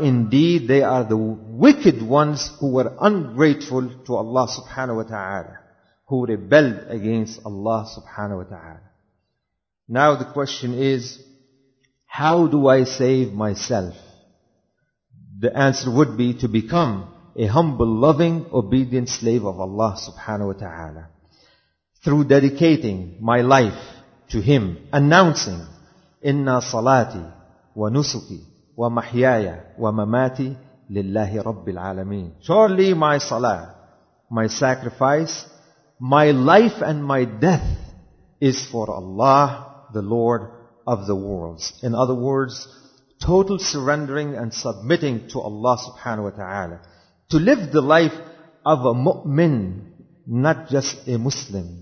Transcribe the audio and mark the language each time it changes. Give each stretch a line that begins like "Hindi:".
English: Indeed, they are the wicked ones who were ungrateful to Allah subhanahu wa ta'ala, who rebelled against Allah subhanahu wa ta'ala. Now the question is, how do I save myself? The answer would be to become a humble, loving, obedient slave of Allah subhanahu wa ta'ala. Through dedicating my life to Him, announcing,
Arabic: إِنَّا صَلَاتِي وَنُسُكِي وَمَحْيَايَ وَمَمَاتِي لِلَّهِ رَبِّ الْعَالَمِينَ.
English: Surely my salah, my sacrifice, my life and my death is for Allah, the Lord of the worlds. In other words, total surrendering and submitting to Allah subhanahu wa ta'ala. To live the life of a mu'min, not just a Muslim.